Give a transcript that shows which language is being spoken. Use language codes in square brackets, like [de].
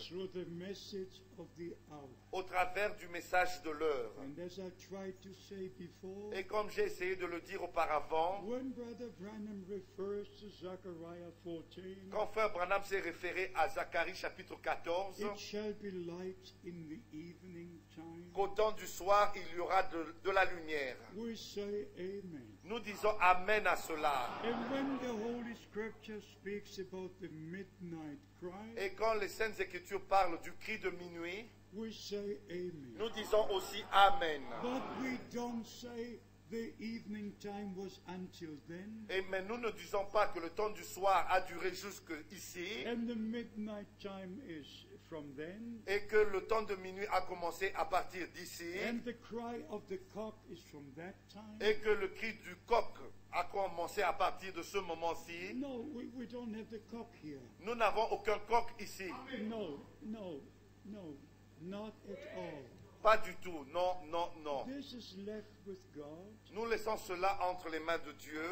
[en] Through the message of the hour. [fr] Au travers du message de l'heure. [en] And as I tried to say before, [fr] et comme j'ai essayé de le dire auparavant, [en] when Brother Branham refers to Zechariah 14, [fr] quand Frère Branham s'est référé à Zacharie chapitre 14, [en] it shall be light in the evening time, [fr] qu'au temps du soir, il y aura de la lumière. [en] We say amen. [fr] Nous disons amen à cela. [en] And when the Holy Scriptures speaks about the midnight cry, [fr] et quand les Saintes Écritures parlent du cri de minuit, [en] we say amen. [fr] Nous disons aussi amen. [en] But we don't say the evening time was until then. [fr] Et mais nous ne disons pas que le temps du soir a duré jusque ici. [en] And the midnight time is from then. [fr] Et que le temps de minuit a commencé à partir d'ici. [en] And the cry of the cock is from that time. [fr] Et que le cri du coq a commencé à partir de ce moment-ci. [en] No, we don't have the cock here. [fr] Nous n'avons aucun coq ici. [en] Amen. No, no, no. Not at all. [fr] Pas du tout, non, non, non. [en] This is left with God. [fr] Nous laissons cela entre les mains de Dieu.